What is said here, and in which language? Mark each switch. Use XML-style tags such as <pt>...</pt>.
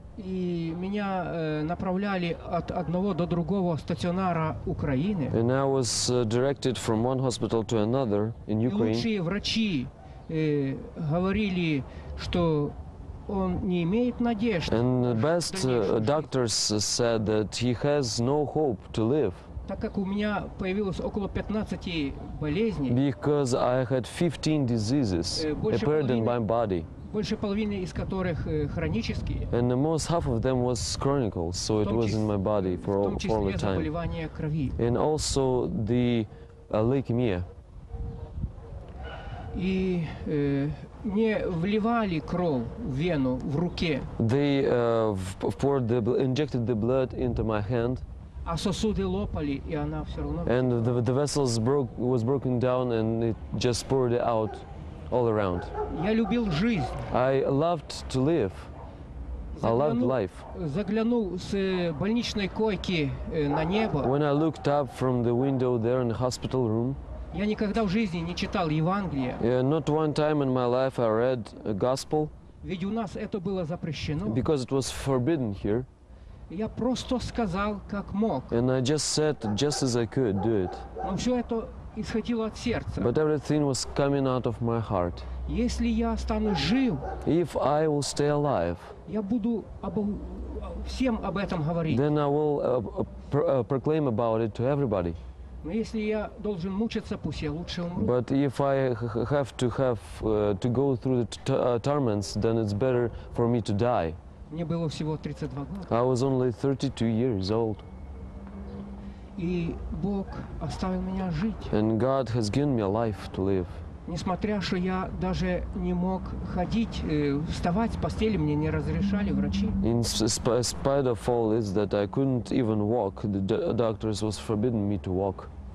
<ru>И меня направляли от одного до другого стационара Украины.</ru> <en>And I was directed from one hospital to another in Ukraine.</en> <ru>И лучшие врачи говорили, что он не имеет надежды.</ru> <en>And the best doctors said that he has no hope to live.</en> <ru>Так как у меня появилось около 15 болезней,</ru> <en>because I had 15 diseases appeared in my body,</en> <ru>больше половины из которых хронические,</ru> <en>and the most half of them was chronic, so it was in my body for all the time,</en> <ru>в том числе заболевания крови,</ru> <en>and also the leukemia.</en> <ru>И мне вливали кровь в вену в руке,</ru> <en>they injected the blood into my hand. And the vessels was broken down, and it just poured out all around. I loved to live. I loved life. When I looked up from the window there in the hospital room, not one time in my life I read a gospel, because it was forbidden here.</en> <ru>Я просто сказал, как мог.</ru> <en>And I just said, just as I could, do it.</en> <ru>Но все это исходило от сердца.</ru> <en>But everything was coming out of my heart.</en> <ru>Если я останусь жив,</ru> <en>if I will stay alive,</en> <ru>я буду всем об этом говорить.</ru> <en>Then I will proclaim about it to everybody.</en> <ru>Но если я должен мучиться, пусть я лучше умру.</ru> <en>But if I have to to go through the torments, then it's better for me to die.</en> <ru>Мне было всего 32 года.</ru> <en>I was only 32 years old.</en> <ru>И Бог оставил меня жить.</ru> <en>And God has given me a life to live.</en> <ru>Несмотря, что я даже не мог ходить, вставать с постели, мне не разрешали врачи.</ru> <en>In spite of all this, that I couldn't even walk, the doctors was forbidden me to walk.</en>